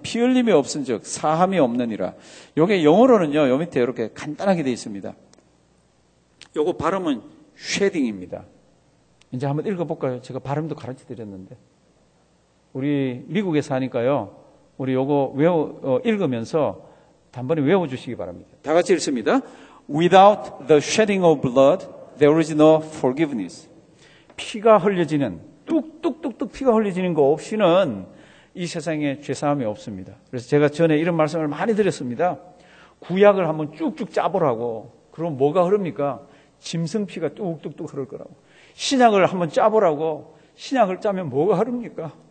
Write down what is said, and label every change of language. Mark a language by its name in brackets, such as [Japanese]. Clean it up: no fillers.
[Korean] 피 흘림이 없은 즉 사함이 없느니라. 요게 영어로는요, 요 밑에 이렇게 간단하게 되어 있습니다. 요거 발음은 쉐딩입니다. 이제 한번 읽어볼까요? 제가 발음도 가르쳐 드렸는데. 우리 미국에 사니까요, 우리 요거 읽으면서 단번에 외워주시기 바랍니다. 다 같이 읽습니다. [English] Without the shedding of blood, there is no forgiveness. [Korean] 피가 흘려지는, 뚝뚝뚝뚝 피가 흘려지는 거 없이는 이 세상에 죄사함이 없습니다. 그래서 제가 전에 이런 말씀을 많이 드렸습니다. 구약을 한번 쭉쭉 짜보라고. 그럼 뭐가 흐릅니까? 짐승피가 뚝뚝뚝 흐를 거라고. 신약을 한번 짜보라고. 신약을 짜면 뭐가 흐릅니까?